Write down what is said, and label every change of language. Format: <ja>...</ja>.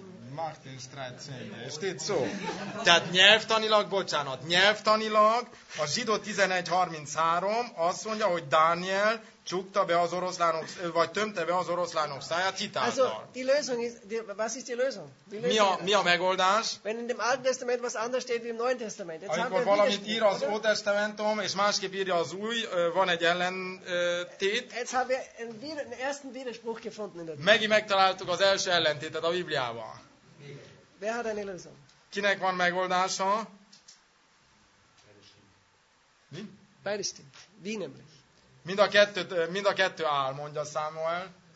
<hu>Martin Streitzenje.</hu> <de>Steht so.</de> <hu>Tehát nyelvtanilag, bocsánat, nyelvtanilag a Zsidó 11:33 azt mondja, hogy Dániel csukta be az oroszlánok, vagy tömte be az oroszlánok száját hitáltal.</hu> <de>Also, die Lösung ist, was ist die Lösung?</de> <hu>Mi a megoldás?</hu> <de>Wenn in dem Alten Testament was anders steht wie im Neuen Testament. Jetzt</de> <hu>amikor valamit ír az Old Testamentum, és másképp írja az Új, van egy ellentét.</hu> <de>Jetzt haben wir einen ersten Widerspruch gefunden in der Bibel.</de> <hu>Megint megtaláltuk az első ellentétet a Bibliában.</hu> <de>Wer hat eine Lösung?</de> <hu>Kinek van megoldása?</hu> <de>Beide stimmt. Wie nämlich?</de> <hu>Mind a kettő áll, mondja Samuel.</hu>